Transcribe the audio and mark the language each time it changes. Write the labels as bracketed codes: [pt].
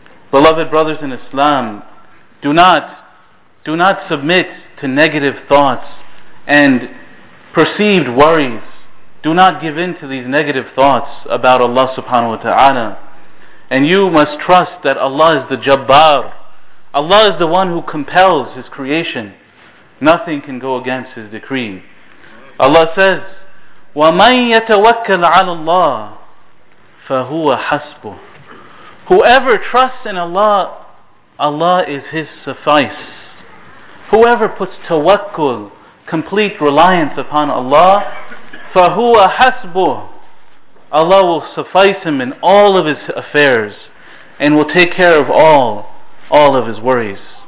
[en] Beloved brothers in Islam, do not submit to negative thoughts and perceived worries. Do not give in to these negative thoughts about Allah subhanahu wa ta'ala. And you must trust that Allah is the Jabbar. Allah is the one who compels His creation. Nothing can go against His decree. Allah says, [ar] وَمَنْ يَتَوَكَّلْ عَلَى اللَّهِ فَهُوَ حَسْبُهُ. [en] Whoever trusts in Allah, Allah is his suffice. Whoever puts tawakkul, complete reliance upon Allah, [ar] فَهُوَ حَسْبُهُ. [en] Allah will suffice him in all of his affairs and will take care of all of his worries.